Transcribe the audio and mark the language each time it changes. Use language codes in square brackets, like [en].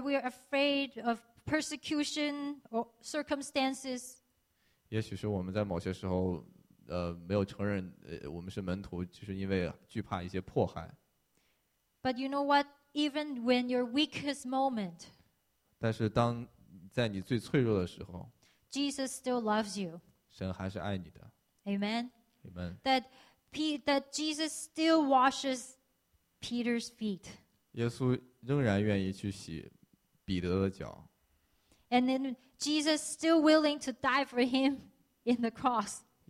[en] we are afraid of persecution or circumstances. [zh] 也许是我们在某些时候，没有承认我们是门徒，就是因为惧怕一些迫害。But [en] you know what? Even when your weakest moment. [zh] 但是当在你最脆弱的时候，Jesus [en] still loves you. [zh] 神还是爱你的。 [en] Amen. Amen. That Jesus still washes Peter's feet. [zh] 耶稣仍然愿意去洗彼得的脚。And [en] then Jesus still willing to die for him in the cross.